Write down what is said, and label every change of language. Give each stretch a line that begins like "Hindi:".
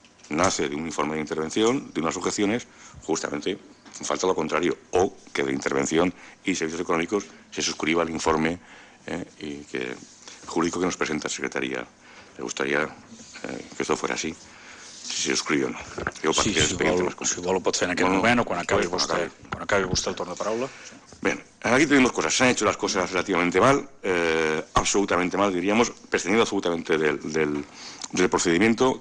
Spanish: nace de un informe de intervención, de unas objeciones, justamente falta lo contrario, o que de intervención y servicios económicos se suscriba el informe y que, jurídico que nos presenta la Secretaría. Me gustaría que esto fuera así, si se suscribe o no.
Catalan: Yo sí, si vol, ho pot fer en aquest moment o quan acabi, quan acabi vostè el torn de paraula.
Spanish: Bien, aquí tenemos cosas. Se han hecho las cosas relativamente mal, absolutamente mal, diríamos, prescindiendo absolutamente del procedimiento.